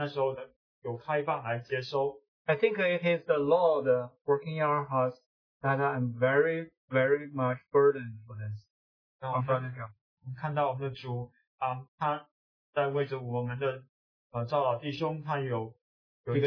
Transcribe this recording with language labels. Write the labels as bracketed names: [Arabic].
[Chinese] 你也听到说，有的人的这些父母，他们就是这些年长的，他们在医院里面过世了之后，都没有殡仪馆能够那时候的有开放来接收。 [English] I think it is the Lord working in our hearts that I'm very, very much burdened for this. [Chinese] 我们看到我们的主，他。在为着我们的赵老弟兄，他有一个